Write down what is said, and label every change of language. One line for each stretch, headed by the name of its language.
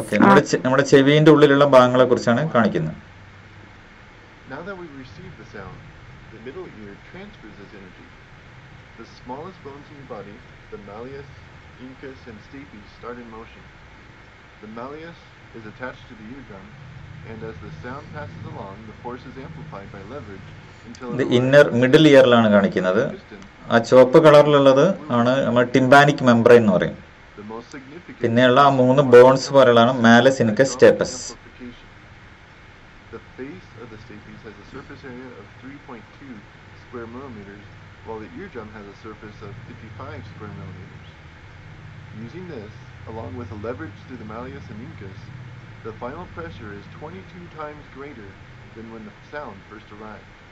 Malayalam: Okay, നമ്മുടെ ചെവിയുടെ ഉള്ളിലുള്ള ഭാഗങ്ങളെ കുറിച്ചാണ് കാണിക്കുന്നത്.
English: Now that we receive the sound, the middle ear transfers this energy. The smallest bones in your body, the malleus, incus and stapes start in motion. The malleus is attached to the eardrum, and as the sound passes along, the force is amplified by leverage until the inner middle ear
Malayalam: ലാണ് കാണിക്കുന്നത്. ആ ചുവപ്പ് കളറിലുള്ളത് ആണ് നമ്മൾ tympanic membrane എന്ന് പറയും. പിന്നെയുള്ള ആ മൂന്ന് ബോൺസ് പോലെയാണ് Marles, incus, stapes.
English: The face of the stapes has a surface area of 3.2 square millimeters, while the eardrum has a surface of 55 square millimeters. Using this, along with a leverage through the malleus and incus, the final pressure is 22 times greater than when the sound first arrived.